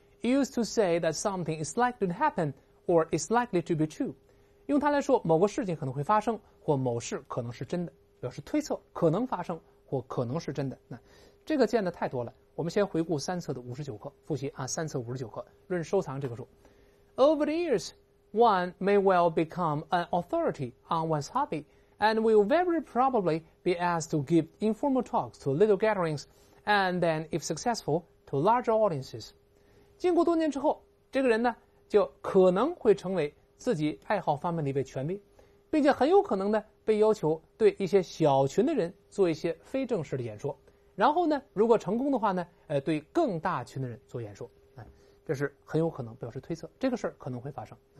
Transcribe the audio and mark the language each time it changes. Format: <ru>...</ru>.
<en>used to say that something is likely to happen or is likely to be true，</en> <zh>用它来说某个事情可能会发生或某事可能是真的，表示推测可能发生或可能是真的。那这个见的太多了，我们先回顾三册的59课复习啊，三册59课论收藏这个书。</zh> <en>Over the years, one may well become an authority on one's hobby and will very probably be asked to give informal talks to little gatherings and then, if successful, to larger audiences.</en> <zh>经过多年之后，这个人呢就可能会成为自己爱好方面的一位权威，并且很有可能呢被要求对一些小群的人做一些非正式的演说，然后呢如果成功的话呢对更大群的人做演说，这是很有可能，表示推测这个事儿可能会发生。</zh>